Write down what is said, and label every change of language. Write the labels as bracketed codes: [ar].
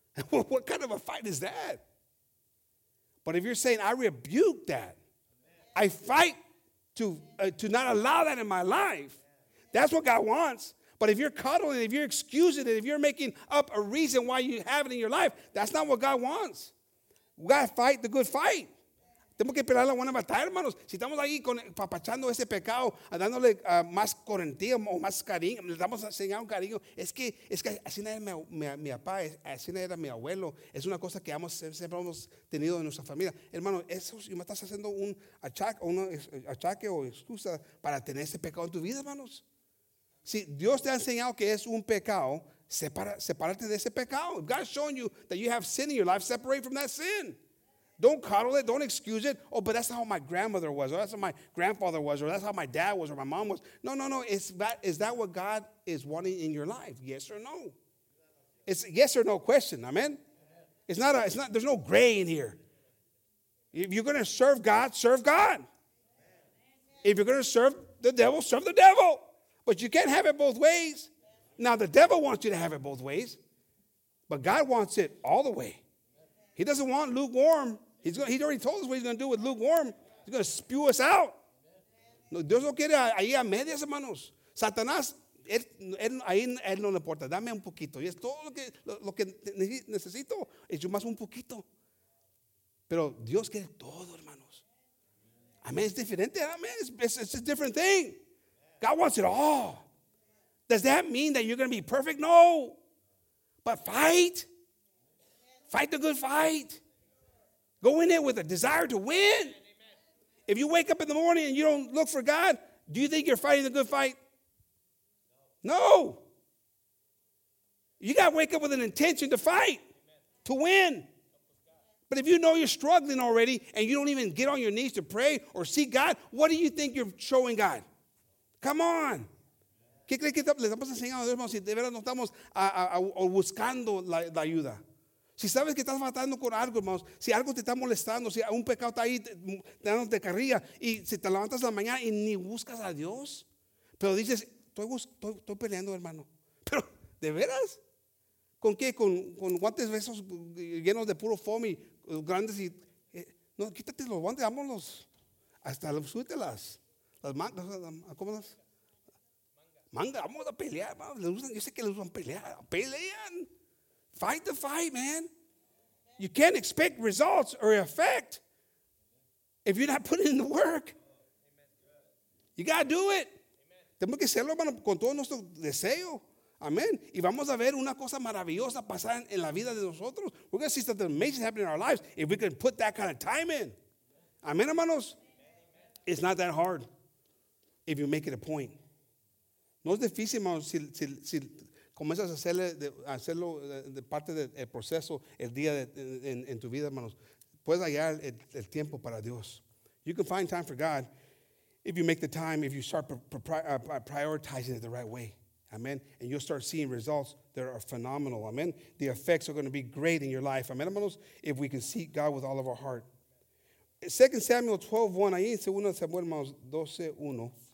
[en] What kind of a fight is that? But if you're saying, I rebuke that, I fight to not allow that in my life, that's what God wants. But if you're cuddling, if you're excusing it, if you're making up a reason why you have it in your life, that's not what God wants. We got to fight the good fight. [es] Tenemos que pelear la buena batalla, hermanos. Si estamos ahí papachando ese pecado, dándole más correntía o más cariño, le damos a enseñar un cariño. Es que así era mi papá, así era mi abuelo. Es una cosa que siempre hemos tenido en nuestra familia. Hermano, eso me estás haciendo un achaque o excusa para tener ese pecado en tu vida, hermanos. Si Dios te ha enseñado que es un pecado, separate de ese pecado. [en] If God has shown you that you have sin in your life, separate from that sin. Don't coddle it. Don't excuse it. Oh, but that's how my grandmother was, or that's how my grandfather was, or that's how my dad was, or my mom was. No. Is that what God is wanting in your life? Yes or no? It's a yes or no question. Amen. It's not. There's no gray in here. If you're going to serve God, serve God. If you're going to serve the devil, serve the devil. But you can't have it both ways. Now, the devil wants you to have it both ways. But God wants it all the way. He doesn't want lukewarm. He's already told us what he's going to do with lukewarm. He's going to spew us out. [es] No, Dios no quiere ahí a medias, hermanos. Satanás, él no le importa. Dame un poquito. Y es todo lo que necesito. Es yo más un poquito. Pero Dios quiere todo, hermanos. Amén. Es diferente. Amén. [en] It's a different thing. God wants it all. Does that mean that you're going to be perfect? No. But fight. Fight the good fight. Go in there with a desire to win. If you wake up in the morning and you don't look for God, do you think you're fighting the good fight? No. You got to wake up with an intention to fight, to win. But if you know you're struggling already and you don't even get on your knees to pray or seek God, what do you think you're showing God? Come on. [es] ¿Qué crees que le estamos enseñando a Dios, hermano, si de verdad no estamos buscando la ayuda? Si sabes que estás matando con algo, hermano, si algo te está molestando, si un pecado está ahí dándote carrilla, y si te levantas en la mañana y ni buscas a Dios, pero dices, estoy peleando, hermano. Pero, ¿de veras? ¿Con qué? ¿Con guantes besos llenos de puro foam y grandes? Y no, quítate los guantes, vámonos. Hasta súbete las mangas, ¿cómo las? Manga, vamos a pelear, vamos. Yo sé que les van a pelear. Pelean. [en] Fight the fight, man. You can't expect results or effect if you're not putting in the work. You got to do it. [es] Tenemos que hacerlo, hermano, con todo nuestro deseo. Amen. Y vamos a ver una cosa maravillosa pasar en la vida de nosotros. [en] We're going to see something amazing happen in our lives if we can put that kind of time in. Amen, hermanos. It's not that hard if you make it a point. [es] No es difícil, hermano, si comienzas a hacerlo de parte del proceso el día en tu vida, hermanos. Puedes hallar el tiempo para Dios. [en] You can find time for God if you make the time, if you start prioritizing it the right way. Amen. And you'll start seeing results that are phenomenal. Amen. The effects are going to be great in your life. Amen, hermanos, if we can seek God with all of our heart. 2 Samuel 12:1, [es] ahí en 2 Samuel, hermanos, [en] 12:1.